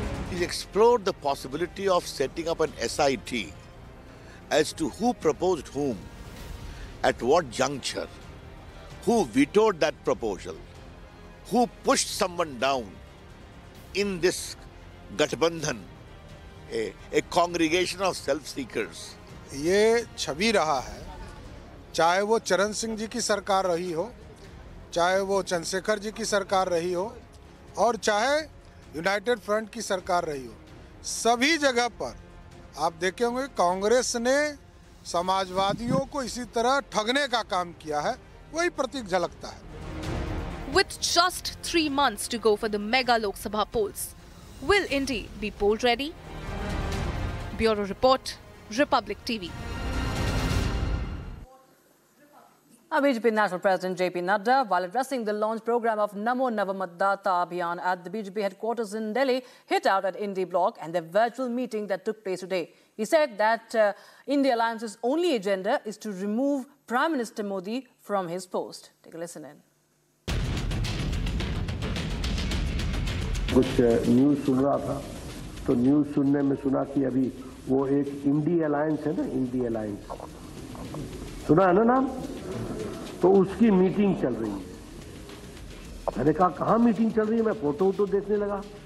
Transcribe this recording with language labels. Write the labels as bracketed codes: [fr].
[en] He explored the possibility of setting up an SIT as to who proposed whom, at what juncture, who vetoed that proposal, who pushed someone down in this gathbandhan, a congregation of self-seekers. [hi] ये छवि रहा है, चाहे वो चरण सिंह जी की सरकार रही हो, चाहे वो चंद्रशेखर जी की सरकार रही हो, और चाहे यूनाइटेड फ्रंट की सरकार रही हो, सभी जगह पर आप देखे होंगे कांग्रेस ने समाजवादियों को इसी तरह ठगने का काम किया है, वही प्रतीक झलकता है। [en] With just 3 months to go for the mega Lok Sabha polls, will Indy be poll ready? Bureau report, Republic TV. BJP National President J.P. Nadda, while addressing the launch program of Namo Navamatdata Abhiyan at the BJP headquarters in Delhi, hit out at Indy Block and the virtual meeting that took place today. He said that Indy Alliance's only agenda is to remove Prime Minister Modi from his post. Take a listen in. [hi] कुछ news सुन रहा था, तो news सुनने में सुना कि अभी वो एक Indy Alliance है ना, Indy Alliance. सुना है ना नाम? तो उसकी मीटिंग चल रही है. मैंने कहा कहाँ मीटिंग चल रही है, मैं फोटो तो देखने लगा.